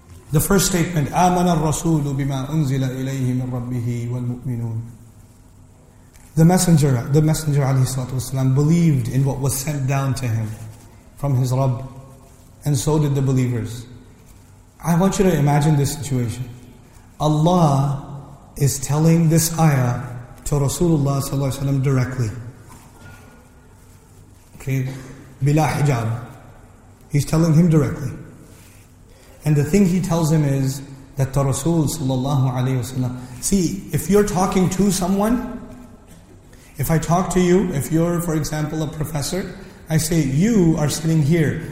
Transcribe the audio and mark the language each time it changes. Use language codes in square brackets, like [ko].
[ar] The first statement, آمن الرسول بما أنزل إليه من ربه والمؤمنون. [en] The Messenger عليه الصلاة والسلام believed in what was sent down to him from his Rabb, and so did the believers. I want you to imagine this situation. Allah is telling this ayah to Rasulullah صلى الله عليه وسلم directly. [ar] Okay, بلا حجاب. [en] He's telling him directly. And the thing he tells him is that the Rasul sallallahu alayhi wasallam. See, if you're talking to someone, if I talk to you, if you're, for example, a professor, I say, you are sitting here.